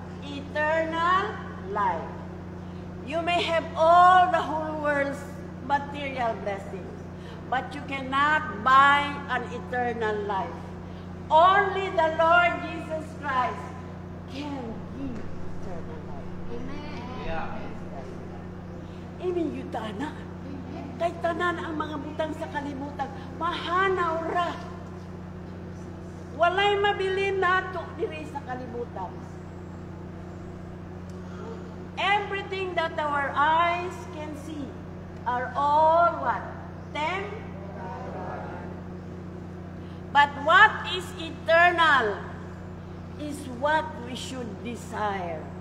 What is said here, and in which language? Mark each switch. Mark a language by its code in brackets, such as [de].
[en] Eternal life. You may have all the whole world's material blessings, but you cannot buy an eternal life. Only the Lord Jesus Christ can give eternal life. Amen. [ceb] Amen, yutana. Kay tanan ang mga butang sa kalimutan, mahanaw ra. Walay mabilin nato diri sa kalimutan. [en] Everything that our eyes can see are all what? Temporary. But what is eternal is what we should desire.